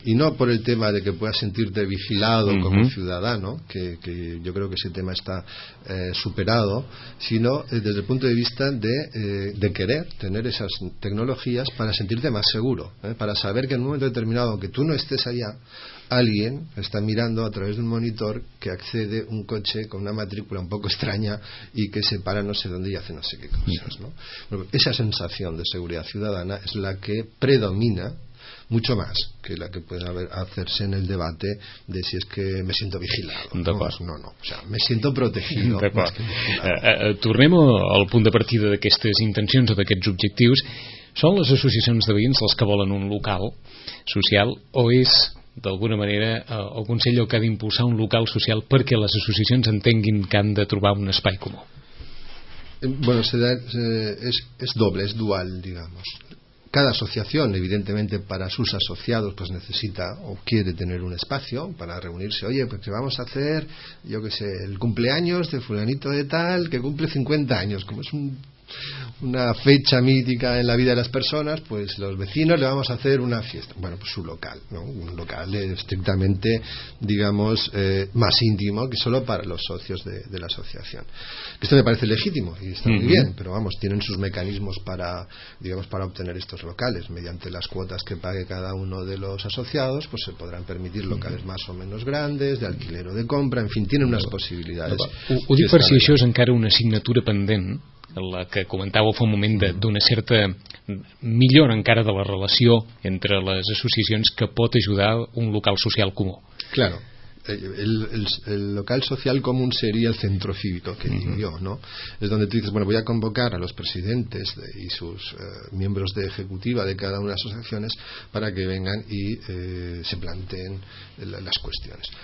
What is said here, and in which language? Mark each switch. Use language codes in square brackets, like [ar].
[es] Y no por el tema de que puedas sentirte vigilado como ciudadano, que yo creo que ese tema está superado, sino desde el punto de vista de querer tener esas tecnologías para sentirte más seguro, para saber que en un momento determinado, aunque tú no estés allá, alguien está mirando a través de un monitor que accede un coche con una matrícula un poco extraña y que se para no sé dónde y hace no sé qué cosas, ¿no? Bueno, esa sensación de seguridad ciudadana es la que predomina mucho más que la que puede hacerse en el debate de si es que me siento vigilado. No, pues no, o sea, me siento protegido. [ca] Tornem al punt de partida d'aquestes intencions o d'aquests objectius. Són les associacions de veïns els que volen un local social o és d'alguna manera el Consell que ha d'impulsar un local social perquè les associacions entenguin que han de trobar un espai comú? [es] Bueno, es doble, es dual, digamos. Cada asociación, evidentemente, para sus asociados, pues necesita o quiere tener un espacio para reunirse. Oye, pues que vamos a hacer, yo qué sé, el cumpleaños de fulanito de tal, que cumple 50 años, como es una fecha mítica en la vida de las personas, pues los vecinos le vamos a hacer una fiesta. Bueno, pues su local, ¿no? Un local estrictamente, digamos, más íntimo que solo para los socios de la asociación. Esto me parece legítimo y está muy bien, pero vamos, tienen sus mecanismos para, digamos, para obtener estos locales. Mediante las cuotas que pague cada uno de los asociados, pues se podrán permitir locales más o menos grandes, de alquiler o de compra, en fin, tienen unas posibilidades. [ca] Ho dic per si això és encara una assignatura pendent, la que comentàveu fa un moment, d'una certa millora encara de la relació entre les associacions que pot ajudar un local social comú. [es] Claro, el local social común sería el centro cívico, que digo yo, ¿no? Es donde tú dices, bueno, voy a convocar a los presidentes y sus miembros de ejecutiva de cada una de las asociaciones para que vengan y se planteen las cuestiones.